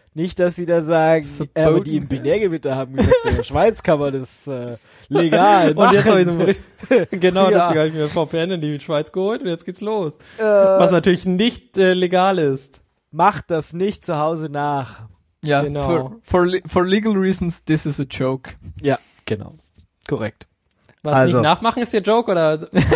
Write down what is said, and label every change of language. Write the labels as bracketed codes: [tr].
[de] Nicht, dass sie da sagen, die im Binärgebiet haben gesagt, in der Schweiz kann man das legal und jetzt habe ich so genau, deswegen habe ich mir VPN in die Schweiz geholt und jetzt geht's los. Was natürlich nicht legal ist. Macht das nicht zu Hause nach. Ja, genau. [en] for legal reasons, this is a joke. [de] Ja, genau. Korrekt. Was, also nicht nachmachen ist der Joke oder?